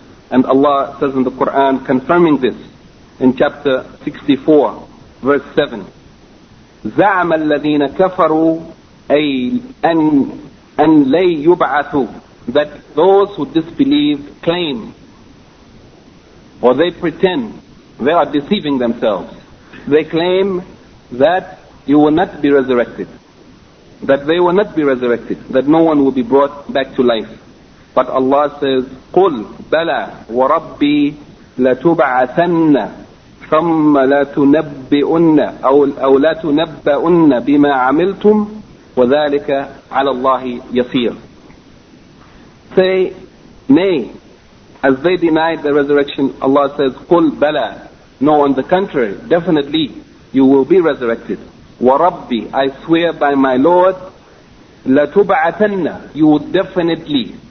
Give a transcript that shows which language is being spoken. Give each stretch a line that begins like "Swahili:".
English: And Allah says in the Quran, confirming this, in chapter 64, verse 7,
Arabic: زَعَمَ الَّذِينَ كَفَرُوا أَنْ لَيْ يُبْعَثُوا,
English: that those who disbelieve claim, or they pretend, they are deceiving themselves. They claim that you will not be resurrected, that they will not be resurrected, that no one will be brought back to life.
Arabic: But Allah says, قُلْ بَلَى وَرَبِّي لَتُبْعَثَنَّ ثُمَّ لَتُنَبِّئُنَّ أَوْ لَتُنَبَّئُنَّ بِمَا عَمِلْتُمْ وَذَلِكَ عَلَى اللَّهِ يَصِيرٌ.
English: Say, nay, as they denied the resurrection, Allah says,
Arabic: قُلْ بَلَى,
English: no, on the contrary, definitely you will be resurrected.
Arabic: وَرَبِّي,
English: I swear by my Lord,
Arabic: لَتُبْعَثَنَّ,
English: you will definitely.